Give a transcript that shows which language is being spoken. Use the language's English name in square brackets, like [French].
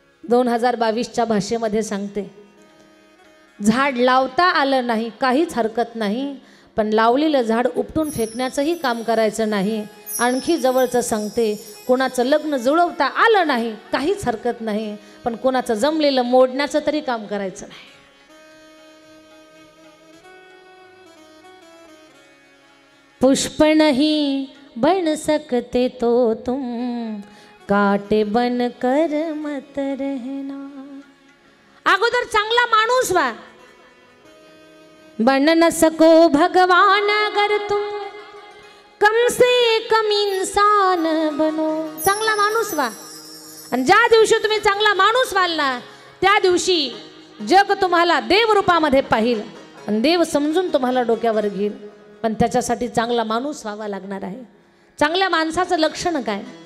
[Marathi] 2022 भाषेमध्ये सांगते, झाड लावता आलं नाही, काहीच हरकत नाही, पण लावलेलं झाड उपटून फेकण्याचंही काम करायचं नाही. आणखी जवळचं सांगते, कोणाचं लग्न जुळवता आलं नाही, काहीच हरकत नाही, पण कोणाचं जमलेलं मोडण्याचं तरी काम करायचं नाही. [Hindi] पुष्प नाही बन सकते तो तुम काटे बन कर मत रहना. [Marathi] अगोदर चांगला माणूस व्हा, [Hindi] बन न सको भगवान अगर तुम कम से कम इंसान बनो. [Marathi] चांगला माणूस व्हा, आणि ज्या दिवशी तुम्ही चांगला माणूस व्हाल ना त्या दिवशी जग तुम्हाला देव रूपामध्ये पाहिल आणि देव समजून तुम्हाला डोक्यावर घेईल. पण त्याच्यासाठी चांगला माणूस व्हावा लागणार आहे. चांगल्या माणसाचं लक्षण काय?